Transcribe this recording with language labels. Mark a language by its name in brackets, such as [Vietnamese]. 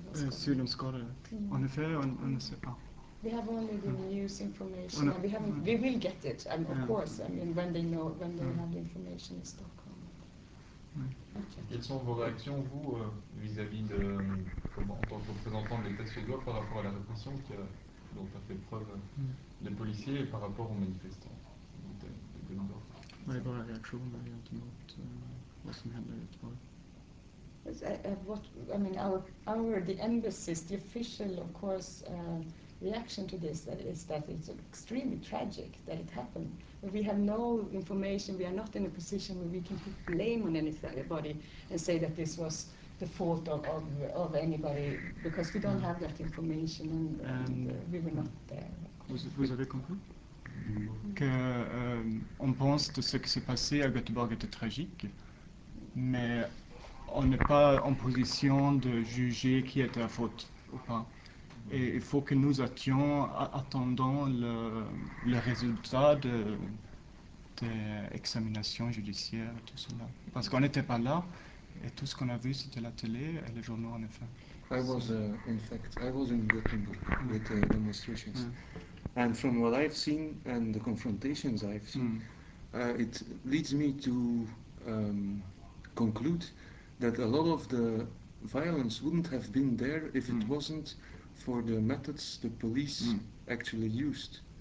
[French] Sur le score, en effet, on ne sait pas. [English] We have only the news information. We haven't. We will get it. And of course, I mean, when they know, when they have the information in Stockholm. [French] Quelles sont vos réactions, vous, vis-à-vis de, comment, en tant que représentant de l'État suédois, par rapport à la répression dont a fait preuve les policiers et par rapport aux manifestants de Göteborg? [Swedish] Vad är våra reaktioner gentemot vad som händer i Göteborg? [English] The embassy, the official, of course. Reaction to this is that it's extremely tragic that it happened. But we have no information. We are not in a position where we can put blame on anybody and say that this was the fault of anybody because we don't have that information and we were not there. [French] Vous avez compris? Que on pense que ce qui s'est passé à Göteborg était tragique, mais on n'est pas en position de juger qui était à faute ou pas. Et il faut que nous attendons le résultat des examinations judiciaires et tout cela. Parce qu'on n'était pas là, et tout ce qu'on a vu, c'était la télé et les journaux, en effet. [English] I was in Gothenburg with the demonstrations. Mm. And from what I've seen and the confrontations I've seen, it leads me to conclude that a lot of the violence wouldn't have been there if it wasn't for the methods the police actually used.